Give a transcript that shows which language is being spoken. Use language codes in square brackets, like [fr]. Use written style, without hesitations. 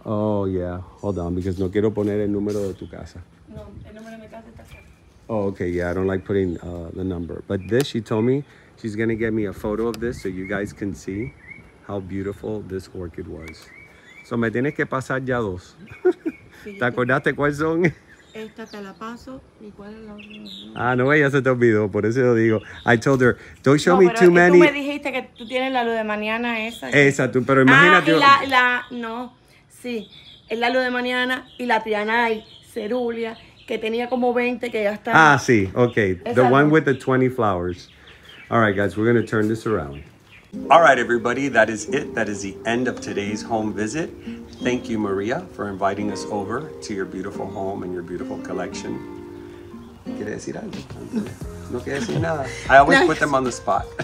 [en] Oh, yeah. Hold on, because [es] no quiero poner el número de tu casa. No, el número de mi casa está cerca. [en] Oh, okay, yeah, I don't like putting the number. But this, she told me, she's going to get me a photo of this so you guys can see how beautiful this orchid was. [es] So me tienes que pasar ya dos. Sí, ¿te acordaste cuáles son? Esta te la paso y cuál es la otra. Ah, no, ella se te olvidó, por eso lo digo. [en] I told her, don't show no, me too many. [es] Tú me dijiste que tú tienes la luz de mañana esa. Esa, tú, pero imagínate. Ah, y la, no, sí, es la luz de mañana y la Trianay, cerulea, que tenía como 20 que ya está. [en] Ah, sí, okay, the one with the 20 flowers. All right, guys, we're going to turn this around. All right, everybody, that is it. That is the end of today's home visit. Thank you, Maria, for inviting us over to your beautiful home and your beautiful collection. [es] ¿Quiere decir algo? No quiere decir nada. [en] I always put them on the spot.